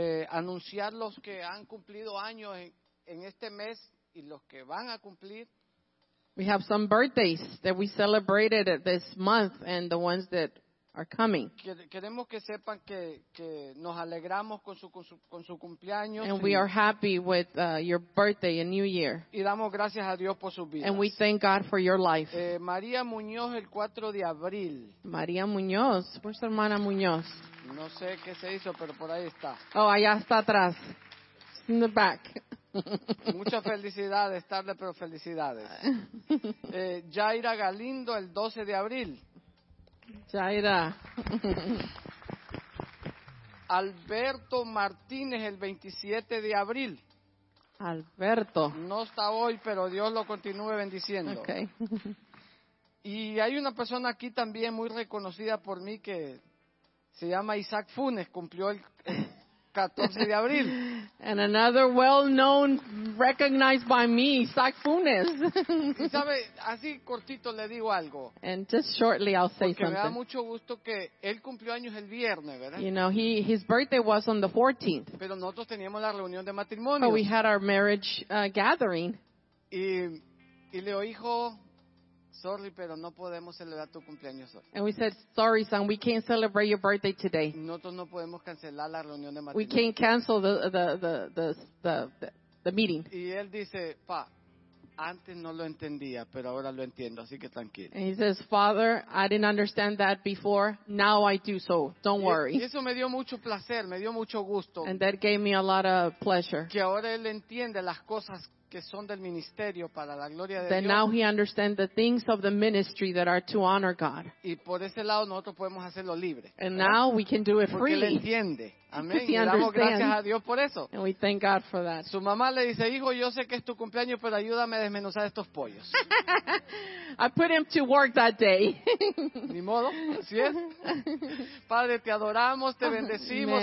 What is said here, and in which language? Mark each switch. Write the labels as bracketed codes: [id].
[es] anunciar los que han cumplido años en este mes y los que van a cumplir. [en] We have some birthdays that we celebrated this month and the ones that are coming. [es] Queremos que sepan que nos alegramos con su cumpleaños. [en] And we are happy with your birthday and new year. [es] Y damos gracias a Dios por sus vidas. [en] And we thank God for your life. [es] María Muñoz, el 4 de abril. María Muñoz, por su hermana Muñoz. No sé qué se hizo, pero por ahí está. Oh, allá está atrás. [en] In the back. [es] Muchas felicidades, tarde, pero felicidades. Yaira Galindo, el 12 de abril. Yaira. Alberto Martínez, el 27 de abril. Alberto. No está hoy, pero Dios lo continúe bendiciendo. Okay. Y hay una persona aquí también muy reconocida por mí que se llama Isaac Funes, cumplió el 14 de abril. [en] And another well-known, recognized by me, Isaac Funes. [es] ¿Sabe? Así cortito le digo algo. [en] And just shortly I'll say [es] porque [en] something. [es] Me da mucho gusto que él cumplió años el viernes, ¿verdad? [en] You know, his birthday was on the 14th. [es] Pero nosotros teníamos la reunión de matrimonio. [en] But we had our marriage gathering. [es] Y le digo, hijo, sorry, pero no podemos celebrar tu cumpleaños hoy. [en] And we said, sorry, son, we can't celebrate your birthday today. [es] Nosotros no podemos cancelar la reunión de matrimonio. [en] We can't cancel the meeting. [es] Y él dice, pa, antes no lo entendía, pero ahora lo entiendo, así que tranquilo. [en] And he says, Father, I didn't understand that before, now I do, so don't worry. [es] Y eso me dio mucho placer, me dio mucho gusto. [en] And that gave me a lot of pleasure. [es] Que ahora él entiende las cosas que son del ministerio para la gloria de Dios. [en] Then now he understands the things of the ministry that are to honor God. [es] Y por ese lado nosotros podemos hacerlo libre. [en] And now we can do it freely. [es] Porque él entiende. Amén. Y damos gracias a Dios por eso. [en] And we thank God for that. [es] Su mamá le dice, hijo, yo sé que es tu cumpleaños, pero ayúdame a desmenuzar estos pollos. [en] I put him to work that day. [es] Ni modo, así es. Padre, te adoramos, te bendecimos,